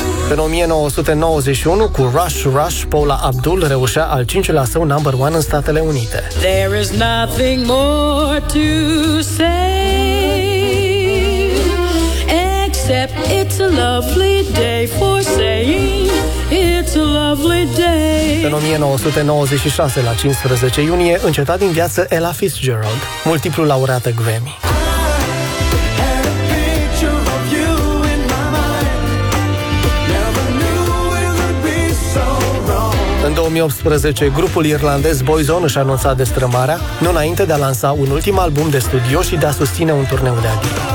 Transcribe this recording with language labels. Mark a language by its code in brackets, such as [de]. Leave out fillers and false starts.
[ro] În 1991, cu Rush, Rush, Paula Abdul reușea al cincilea său number one în Statele Unite. [en] There is nothing more to say, except it's a lovely day for saying it's a lovely day. [ro] În 1996, la 15 iunie, înceta din viață Ella Fitzgerald, multiplu laureată Grammy. În 2018, grupul irlandez Boyzone își anunța destrămarea, nu înainte de a lansa un ultim album de studio și de a susține un turneu de adio.